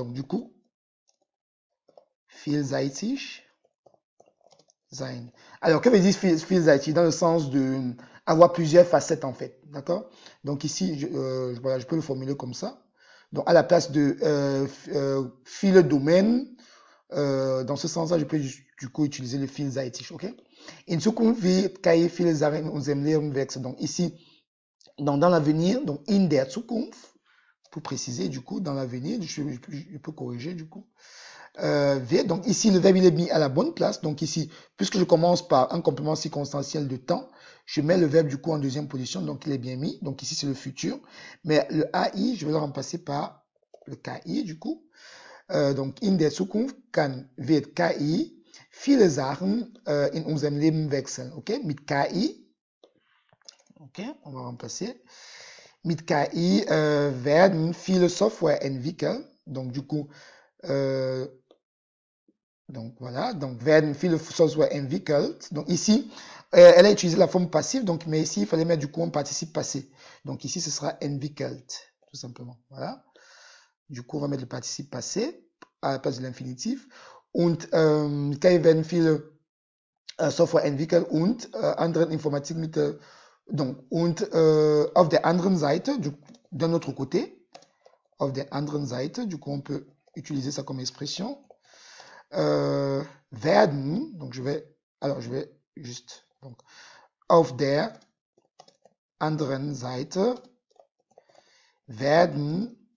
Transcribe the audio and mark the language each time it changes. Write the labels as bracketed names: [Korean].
[French] Donc, du coup, vielseitig sein. Alors, que veut dire vielseitig? Dans le sens de avoir plusieurs facettes, en fait. D'accord? Donc, ici, voilà, je peux le formuler comme ça. Donc, à la place de viele Domain, dans ce sens-là, je peux du coup utiliser le vielseitig. OK? [German] In Zukunft wird KI viele Sachen in unserem Leben wechseln. [French] Donc, ici, donc, dans l'avenir, donc [German] in der Zukunft, [French] pour préciser, du coup, dans l'avenir, je peux corriger, du coup. Donc, ici, le verbe il est mis à la bonne place. Donc, ici, puisque je commence par un complément circonstanciel de temps, je mets le verbe, du coup, en deuxième position. Donc, il est bien mis. Donc, ici, c'est le futur. Mais le AI, je vais le remplacer par le KI, du coup. [German] Donc, in der Zukunft kann, wird KI viele Sachen in unserem Leben wechseln. OK? Mit KI. [French] OK, on va remplacer. [German] Mit KI werden viele Software entwickeln. [French] Donc, du coup, donc voilà. [German] Donc, werden viele Software entwickelt. [French] Donc, ici, elle a utilisé la forme passive. Donc, mais ici, il fallait mettre du coup un participe passé. Donc, ici, ce sera entwickelt, tout simplement. Voilà. Du coup, on va mettre le participe passé à la place de l'infinitif. [German] Und KI werden viele Software entwickeln und anderen Informatik mit. [French] Donc, [German] auf der anderen Seite, [French] d'un autre côté, auf der anderen Seite, du coup, on peut utiliser ça comme expression, werden, donc je vais juste, donc, auf der anderen Seite, werden,